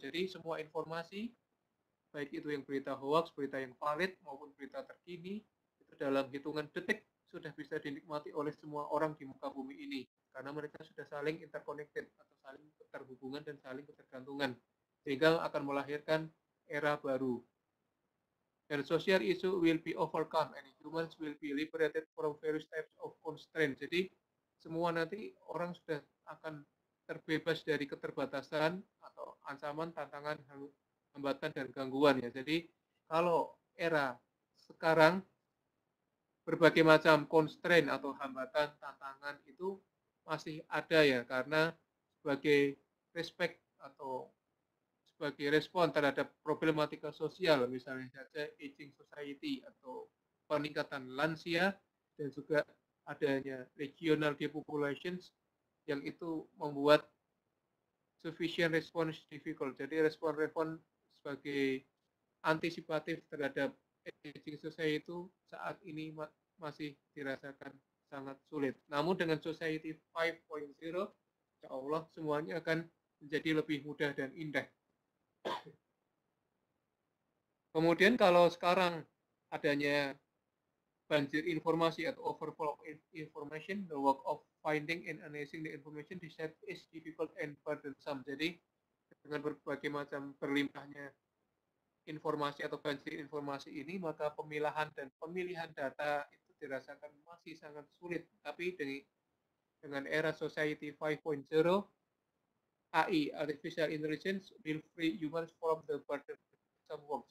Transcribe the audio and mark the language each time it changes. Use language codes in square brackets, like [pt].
[id] Jadi semua informasi baik itu yang berita hoax, berita yang valid maupun berita terkini itu dalam hitungan detik sudah bisa dinikmati oleh semua orang di muka bumi ini karena mereka sudah saling interconnected atau saling keterhubungan dan saling ketergantungan sehingga akan melahirkan era baru. [en] And social issue will be overcome and humans will be liberated from various types of constraints. [id] Jadi semua nanti orang sudah akan terbebas dari keterbatasan atau ancaman, tantangan, hambatan dan gangguan ya. Jadi kalau era sekarang berbagai macam constraint atau hambatan, tantangan itu masih ada ya karena sebagai respect atau sebagai respon terhadap problematika sosial, misalnya saja aging society atau peningkatan lansia dan juga adanya [en] regional depopulations [id] yang itu membuat [en] sufficient response difficult. [id] Jadi respon-respon sebagai antisipatif terhadap aging society itu saat ini masih dirasakan sangat sulit. Namun dengan society 5.0, insya Allah semuanya akan menjadi lebih mudah dan indah. Kemudian kalau sekarang adanya banjir informasi atau [en] overflow of information, the work of finding and analyzing the information to set is difficult and burdensome. [id] Jadi dengan berbagai macam berlimpahnya informasi atau banjir informasi ini, maka pemilahan dan pemilihan data itu dirasakan masih sangat sulit. Tapi dengan era [en] society 5.0, AI, artificial intelligence, will free humans from the burden of work.